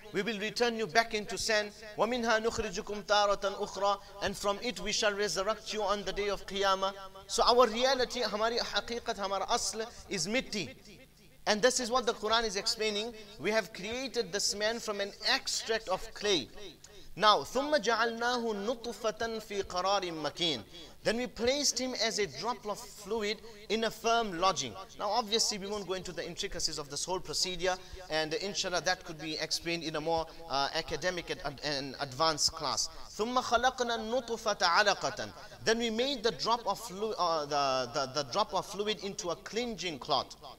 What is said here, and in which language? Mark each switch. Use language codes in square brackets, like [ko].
[en] We will return you back into sand. [ar] وَمِنْهَا نُخْرِجُكُمْ تَارَةً أُخْرَى. [en] And from it we shall resurrect you on the day of Qiyamah. So our reality, our haqiqat, our asl is mitti. And this is what the Quran is explaining. We have created this man from an extract of clay. Now, [ar] ثُمَّ جَعَلْنَاهُ نُطْفَةً فِي قَرَارٍ مَكِينٍ. [en] Then we placed him as a drop of fluid in a firm lodging. Now, obviously, we won't go into the intricacies of this whole procedure, and inshallah, that could be explained in a more academic and advanced class. [ar] ثُمَّ خَلَقْنَا النُّطْفَةَ عَلَقَةً. [en] Then we made the drop of fluid, the drop of fluid into a clinging clot.